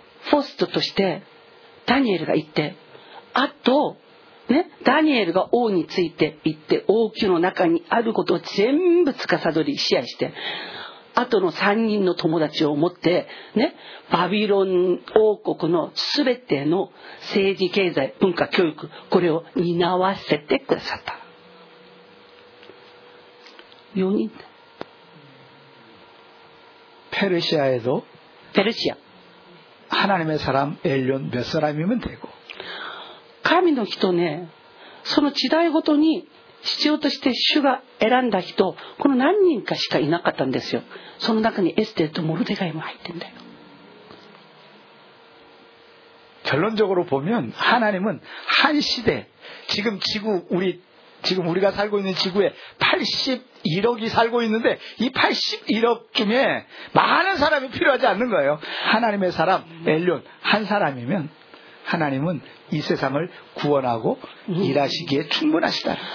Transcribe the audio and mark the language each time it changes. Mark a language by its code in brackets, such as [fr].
[ja] ホストとしてダニエルが行ってあとね、ダニエルが王について行って王宮の中にあることを全部司り支配してあとの3人の友達を持って、ね、バビロン王国の全ての政治経済文化教育これを担わせてくださった4人ペルシアへどペルシア [ko] 하나님의사람엘리온몇사람이면되고 [ja] 神の人ね、その時代ごとに必要として主が選んだ人、この何人かしかいなかったんですよ。その中にエステとモルデガイも入ってんだよ。 [ko] 결론적으로보면하나님은한시대지금지구우리지금우리가살고있는지구에81억이살고있는데이81억중에많은사람이필요하지않는거예요하나님의사람엘리온한사람이면하나님은이세상을구원하고일하시기에충분하시다